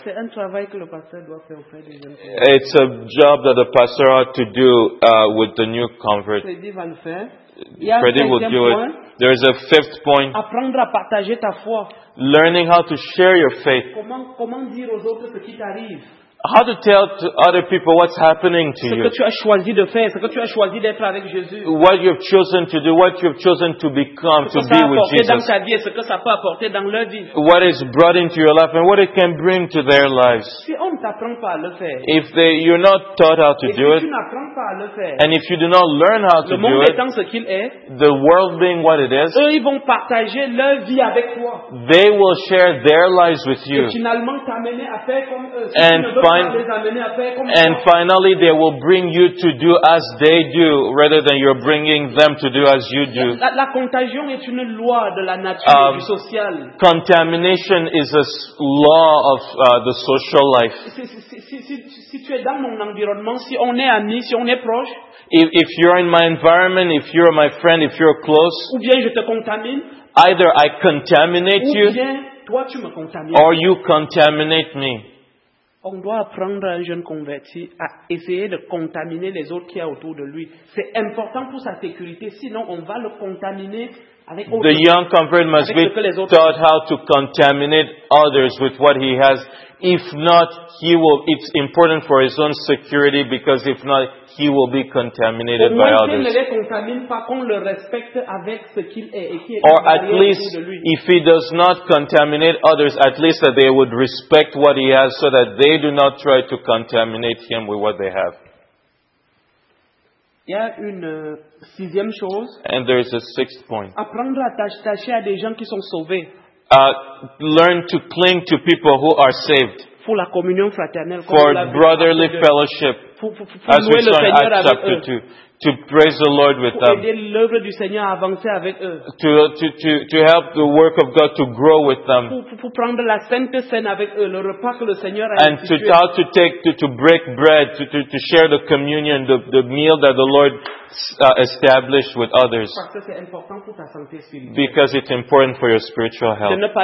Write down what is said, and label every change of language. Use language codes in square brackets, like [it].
[en] It's a job that the pastor ought to do with the new convert. Freddy will do it. There is a fifth point. [fr] Apprendre à partager ta foi. [en] Learning how to share your faith. [fr] Comment dire aux autres ce qui t'arrive. [en] How to tell to other people what's happening to you. [fr] Ce que tu as choisi de faire, ce que tu as choisi d'être avec Jésus. [en] What you've chosen to do, what you've chosen to become, to be with Jesus. [fr] Ce que ça a apporté dans ta vie, ce que ça peut apporter dans leur vie. [en] What is brought into your life and what it can bring to their lives. [fr] Si on ne t'apprend pas à le faire. [en] If you're not taught how to do it. [fr] Et si tu n'apprends pas à le faire. [en] And if you do not learn how to do it. [fr] Le monde étant ce qu'il est. [en] The world being what it is. [fr] Eux, ils vont partager leur vie avec toi. [en] They will share their lives with you. [fr] Et finalement t'amener à faire comme eux. [en] And finally, they will bring you to do as they do, rather than you're bringing them to do as you do. [fr] La contagion est une loi de la nature du social. [en] Contamination is a law of the social life. [fr] Si tu es dans mon environnement, si on est amis, si on est proche. [en] If you're in my environment, if you're my friend, if you're close. [fr] Ou bien je te contamine. [en] Either I contaminate you. [fr] Ou bien toi tu me contamines. [en] Or you contaminate me. [fr] On doit apprendre à un jeune converti à essayer de contaminer les autres qui sont autour de lui. C'est important pour sa sécurité, sinon on va le contaminer avec autres. [en] The young convert must be taught how to contaminate others with what he has. If not, he will. It's important for his own security, because if not, he will be contaminated by others. [fr] Ne les contamine pas, qu'on le respecte avec ce qu'il est et qui est. [en] Or at least, if he does not contaminate others, at least that they would respect what he has, so that they do not try to contaminate him with what they have. [fr] Il y a une sixième chose. [en] And there is a sixth point. [fr] Apprendre à t'attacher à des gens qui sont sauvés. [en] Learn to cling to people who are saved. [fr] pour la communion fraternelle, [en] for brotherly fellowship, as we saw in Acts chapter 2, to praise the Lord with them, to help the work of God to grow with them, and to break bread, to share the communion, the meal that the Lord established with others, because it's important for your spiritual health.